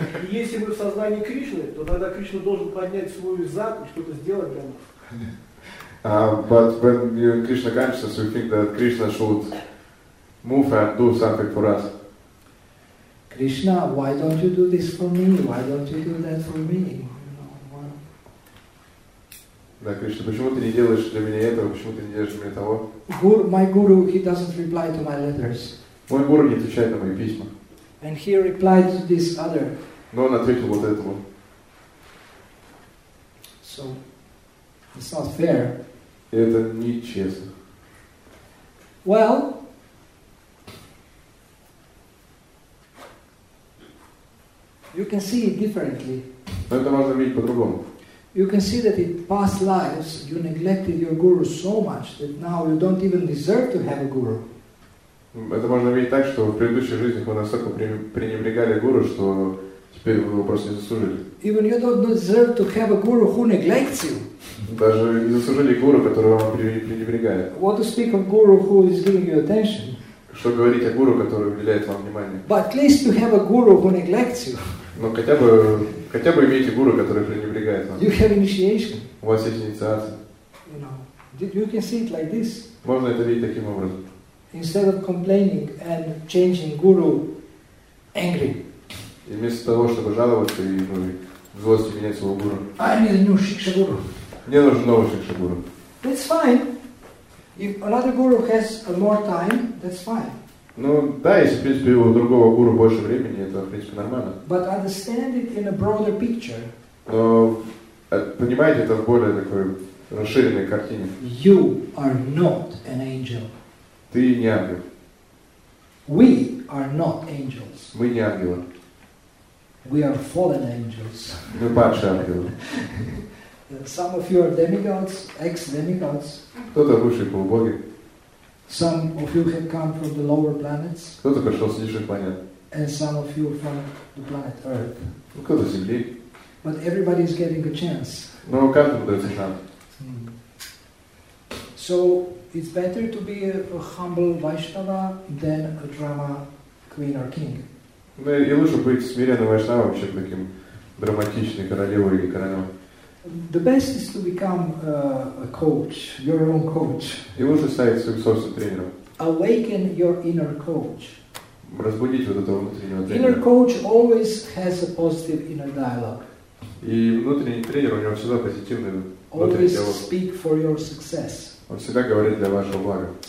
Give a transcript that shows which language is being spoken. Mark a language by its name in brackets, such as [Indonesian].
[Russian] Если вы в сознании Кришны, то тогда Кришна должен поднять свой зад и что-то сделать для нас. [English] But when you're in Krishna consciousness, you think that Krishna should move and do something for us. Krishna, why don't you do this for me? Why don't you do that for me? [Russian] Да, Кришна, почему ты не делаешь для меня этого? Почему ты не делаешь для меня того? [English] My guru, he doesn't reply to my letters. [Russian] Мой гуру не отвечает на мои письма. [English] And he replied to this other. [Russian] Но он ответил вот этому. [English] So, it's not fair. [Russian] Это нечестно. [English] Well, you can see it differently. [Russian] Но это можно видеть по-другому. [English] You can see that in past lives you neglected your guru so much that now you don't even deserve to have a guru. [Russian] Это можно видеть так, что в предыдущих жизнях вы настолько пренебрегали гуру, что теперь вы его просто не заслужили. [English] Even you don't deserve to have a guru who neglects you. [Russian] Даже не заслужили гуру, который вам пренебрегает. [English] What to speak of guru who is giving you attention? [Russian] Что говорить о гуру, который уделяет вам внимание? [English] But at least you have a guru who neglects you. [Russian] Но хотя бы имейте гуру, который пренебрегает вам. [English] You have initiation. [Russian] У вас есть инициация. [English] You know, you can see it like this. [Russian] Можно это видеть таким образом. [English] Instead of complaining and changing guru angry. [Russian] И вместо того, чтобы жаловаться и, ну, и в злости менять своего гуру. [English] I need a new shikshaguru. [Russian] Мне нужен новый шикшагуру. [English] That's fine. If another guru has more time, that's fine. [Russian] Ну да, если, в принципе, у другого гуру больше времени, это, в принципе, нормально. [English] But understand it in a broader picture. [Russian] Но понимаете это в более такой расширенной картине. [English] You are not an angel. [Russian] Ты не ангел. [English] We are not angels. [Russian] Мы не ангелы. [English] We are fallen angels. [Russian] Мы падшие ангелы. [English] Some of you are demigods, ex-demigods. [Russian] Кто-то высшие полубоги. [English] Some of you have come from the lower planets. [Russian] Кто-то пришел с нижних планет. [English] And some of you from the planet Earth. [Russian] Ну, кто-то с Земли. [English] But everybody is getting a chance. [Russian] Ну, каждому дается шанс. [English] So it's better to be a humble Vaishnava than a drama queen or king. [Russian] Ну, и лучше быть смиренным Вайшнавом, чем таким драматичным королевой или королем. [English] The best is to become a coach, your own coach. [Russian] И лучше стать своим собственным тренером. [English] Awaken your inner coach. [Russian] Разбудить вот этого внутреннего тренера. [English] Inner coach always has a positive inner dialogue. [Russian] И внутренний тренер у него всегда позитивный. [English] Always speak for your success. [Russian] Он всегда говорит для вашего блага.